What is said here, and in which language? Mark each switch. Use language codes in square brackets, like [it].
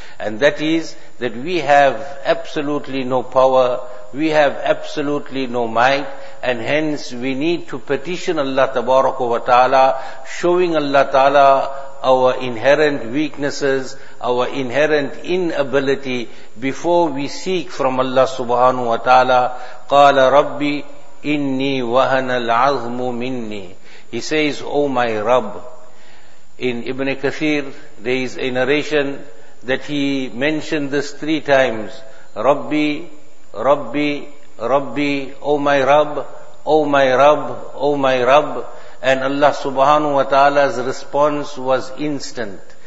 [en] And that is that we have absolutely no power, we have absolutely no might, and hence we need to petition Allah tabaraka wa ta'ala, showing Allah ta'ala our inherent weaknesses, our inherent inability, before we seek from Allah subhanahu wa ta'ala. [ar] قَالَ رَبِّ إِنِّي وَهَنَ الْعَظْمُ مِنِّي. [en] He says, O my Rabb. In Ibn Kathir, there is a narration that he mentioned this three times. Rabbi, Rabbi, Rabbi, O my Rabb, O my Rabb, O my Rabb. And Allah subhanahu wa ta'ala's response was instant.